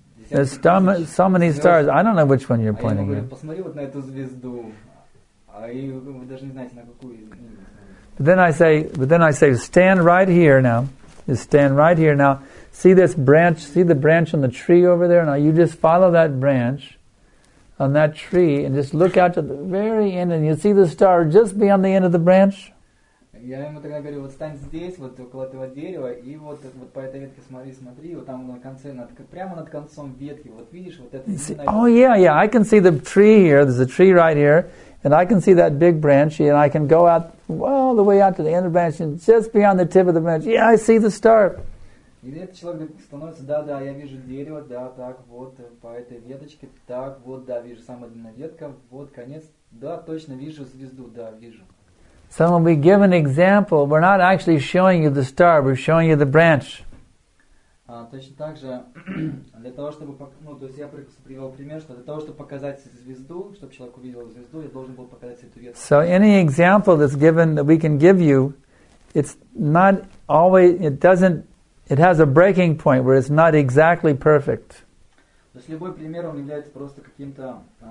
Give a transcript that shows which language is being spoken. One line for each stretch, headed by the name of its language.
English: There's so many stars. I don't know which one you're pointing at. But then I say, stand right here now. Just stand right here now. See this branch? See the branch on the tree over there? Now you just follow that branch on that tree and just look out to the very end and you see the star just beyond the end of the branch.
Russian: Я ему тогда говорю, вот стань здесь, вот около этого дерева, и вот, вот по этой ветке смотри, смотри, вот там на конце, над, прямо над концом ветки, вот видишь, вот это...
English: See, oh, yeah, yeah, I can see the tree here, there's a tree right here, and I can see that big branch, and I can go out, well, the way out to the end of the branch, and just beyond the tip of the branch, yeah, I see the star.
Russian: И этот человек становится, да-да, я вижу дерево, да, так, вот, по этой веточке, так, вот, да, вижу самая длинная ветка, вот, конец, да, точно, вижу звезду, да, вижу.
English: So when we give an example, we're not actually showing you the star, we're showing you the branch.
Russian: Точно так же, для того, чтобы, ну, то есть я привел пример, что для того, чтобы показать звезду, чтобы человек увидел звезду, я должен был показать эту ветку.
English: So any example that's given that we can give you, it's not always, it doesn't, it has a breaking point where it's not exactly perfect.
Russian: То есть любой пример, он является просто каким-то...